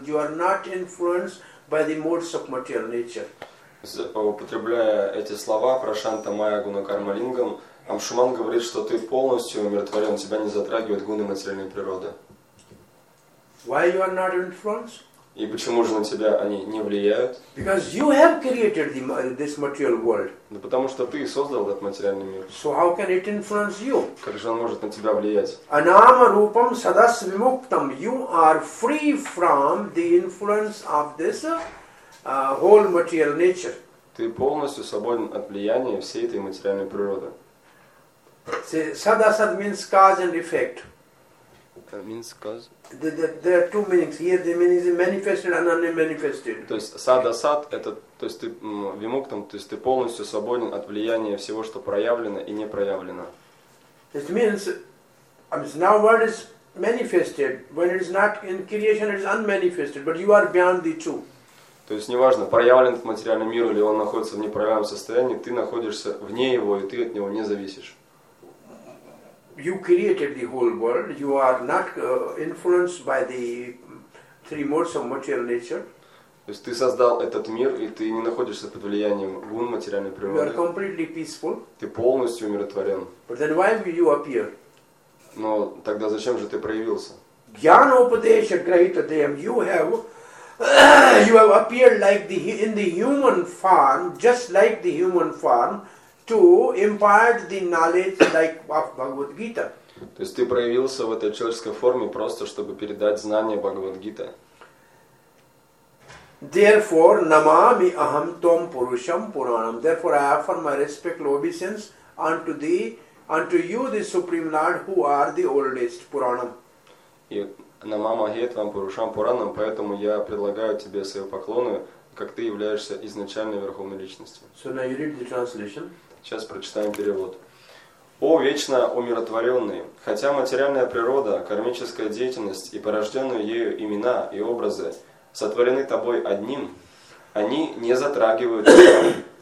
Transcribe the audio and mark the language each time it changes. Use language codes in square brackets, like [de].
[en] You are not influenced by the modes of material nature. [ru] Употребляя эти слова, [sa] Прашанта Майя Гуна Карма Лингам, [ru] Амшуман говорит, что ты полностью умиротворен, тебя не затрагивают гуны материальной природы. [en] Why you are not influenced? [ru] И почему же на тебя они не влияют? [en] Because you have created this material world. [ru] Да потому что ты создал этот материальный мир. [en] So how can it influence you? [ru] Как же он может на тебя влиять? [sa] Anama rupam sadas vimuktam. [en] You are free from the influence of this whole material nature. [ru] Ты полностью свободен от влияния всей этой материальной природы. [en] Sadasad means cause and effect. means cause. There are two meanings. Here the meaning is manifested and unmanifested. [ru] То есть сад-асад это, то есть ты вимуктам, то есть ты полностью свободен от влияния всего, что проявлено и не проявлено. [en] It means, now what is manifested, when it is not in creation, it is unmanifested, but you are beyond the two. [ru] То есть неважно, проявлен этот материальный мир или он находится в непроявленном состоянии, ты находишься вне его и ты от него не зависишь. [en] You created the whole world. You are not influenced by the three modes of material nature. [ru] То есть ты создал этот мир и ты не находишься под влиянием гун материальной природы. [en] You are completely peaceful. [ru] Ты полностью умиротворен. [en] But then why will you appear? [ru] Но тогда зачем же ты проявился? [sa] Jnana upadesha grahita deham. [en] You have appeared like the in the human form, just like the human form, to impart the knowledge like of Bhagavad Gita. [ru] То есть ты проявился в этой человеческой форме просто чтобы передать знания Бхагавад Гита. [en] Therefore, [sa] Namami Aham Tom Purusham Puranam. [en] Therefore, I offer my respectful obeisance unto you, the Supreme Lord, who are the oldest Puranam. [sa] Намамахет вам Пурушам Пуранам, [ru] поэтому я предлагаю тебе свои поклоны, как ты являешься изначальной Верховной Личностью. [en] So now you read the translation. [ru] Сейчас прочитаем перевод. О вечно умиротворенный, хотя материальная природа, кармическая деятельность и порожденные ею имена и образы сотворены тобой одним, они не затрагивают тебя.